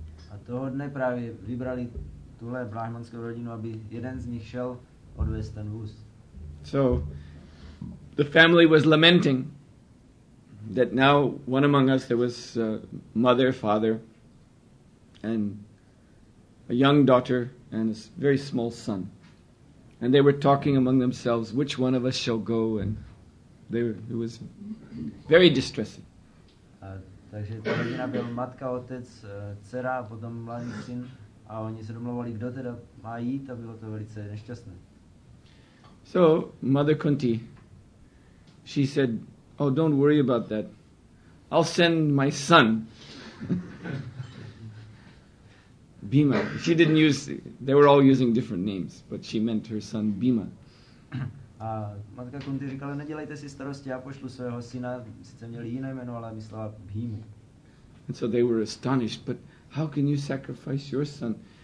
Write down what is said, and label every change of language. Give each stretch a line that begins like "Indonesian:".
Czech: A toho dne právě vybrali tuhle brahmanskou rodinu, aby jeden z nich šel odvést ten vůz.
English: So, the family was lamenting that now one among us, there was a mother, father, and a young daughter, and a very small son. And they were talking among themselves, which one of us shall go, and it was very distressing.
Czech: Takže ta rodina byl matka, otec, dcera, potom mladý syn, a oni se domluvali, kdo teda má jít, a bylo to velice nešťastné.
English: So, Mother Kunti, she said, "Oh, don't worry about that. I'll send my son." Bhima. She didn't use, they were all using different names, but she meant her son Bhima.
Czech: A matka Kunti říkala, nedělejte si starosti, já pošlu svého syna, sice měli jiné jméno, ale myslela Bhimu.
English: And so they were astonished, but how can you sacrifice your son?